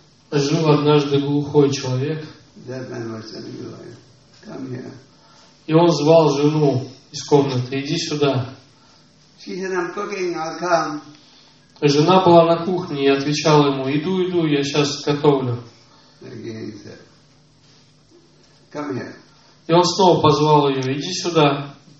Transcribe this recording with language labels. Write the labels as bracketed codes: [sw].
[ru] Жил однажды глухой человек. [en] That man was telling his wife, "Come here." [ru] И он звал жену из комнаты. Иди сюда. [en] She said, "I'm cooking. I'll come." [ru] Жена была на кухне и отвечала ему: "Иду, иду, я сейчас готовлю." [en] Again he said, "Come here." [ru] И он снова позвал ее: "Иди сюда."